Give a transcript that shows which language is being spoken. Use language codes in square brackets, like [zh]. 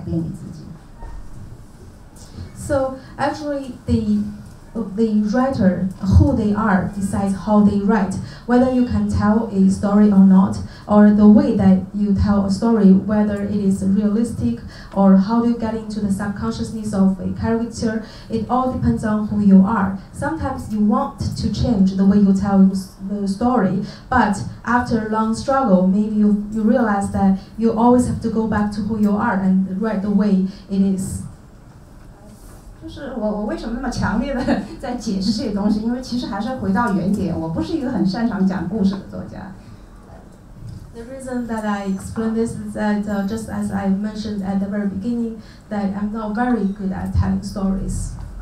[zh] 写小说都是和这个作家本身是谁是密切相关的。即使你有时候想改变他，想改造他，但是你走了一长段路以后，你其实发现，你还是不由自主的，或者说是被迫的，或者说非常痛苦的回到了你的本身，你没有办法改变你自己。 [en] So actually the writer, who they are, decides how they write, whether you can tell a story or not, or the way that you tell a story, whether it is realistic, or how you get into the subconsciousness of a character, it all depends on who you are. Sometimes you want to change the way you tell the story, but after a long struggle, maybe you realize that you always have to go back to who you are and write the way it is. [zh] 就是我为什么那么强烈的在解释这些东西，因为其实还是回到原点，我不是一个很擅长讲故事的作家。 [en] The reason that I explain this is that just as I mentioned at the very beginning that I'm not very good at telling stories.